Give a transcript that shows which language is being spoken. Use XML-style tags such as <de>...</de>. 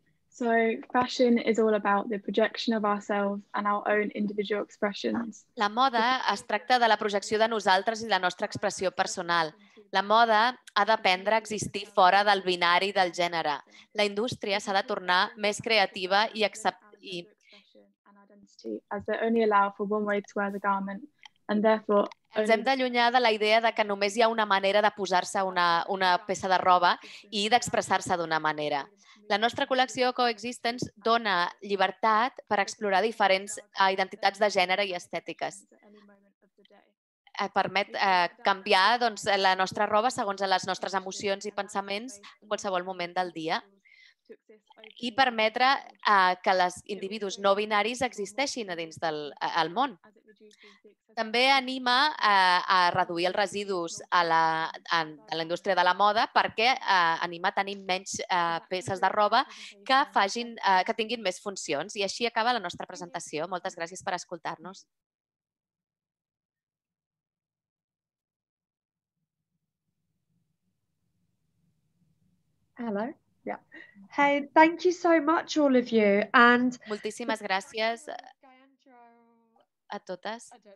<en>So fashion is all about the projection of ourselves and our own individual expressions.</en> <ca>La moda es tracta de la projecció de nosaltres i la nostra expressió personal. La moda ha d'aprendre a existir fora del binari del gènere. La indústria s'ha de tornar més creativa i</ca> <en>as they only allow for one way to wear the garment, and therefore</en> <ca>ens hem d'allunyar de la idea de que només hi ha una manera de posar-se una peça de roba i d'expressar-se d'una manera. La nostra col·lecció Coexistence dona llibertat per explorar diferents identitats de gènere i estètiques. Permet canviar doncs, la nostra roba segons les nostres emocions i pensaments en qualsevol moment del dia, i permetre que els individus no binaris existeixin a dins del món. També anima a reduir els residus a la indústria de la moda perquè anima a tenir menys peces de roba que tinguin més funcions. I així acaba la nostra presentació. Moltes gràcies per escoltar-nos.</ca> <en>Hello. Yeah. Hey, thank you so much, all of you. And</en> <ca>moltíssimes gràcies a totes.</ca>